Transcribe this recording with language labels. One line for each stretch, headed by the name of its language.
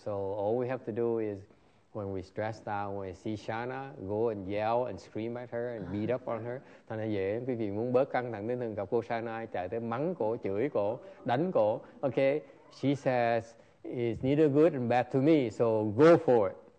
English: So all we have to do is when we stress out, when we see Shana, go and yell and scream at her and beat up on her.
Vietnamese: Thành ra dễ, quý vị muốn bớt căng thẳng nên thường gặp cô Shana, chạy tới mắng cổ, chửi cổ, đánh cổ.
English: Okay, she says, it's neither good and bad to me, so go for it.